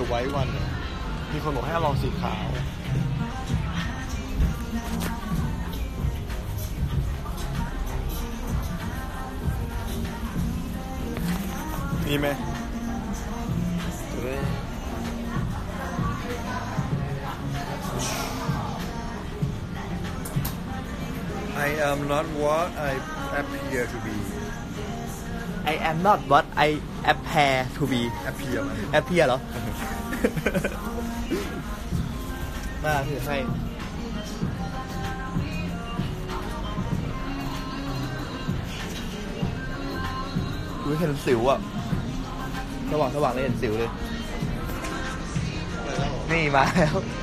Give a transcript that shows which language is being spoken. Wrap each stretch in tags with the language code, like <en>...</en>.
<en>the white one</en> <th>มีคนบอกให้ลองสีขาวนี่ไหม</th> <en>I am not what I appear to be. I am not what I appear to be. Appear</en> <th>อะไร Appear เหรอมาถือไฟเห็นสิวอะสว่างสว่างเลยเห็นสิวเลยนี่มาแล้ว</th>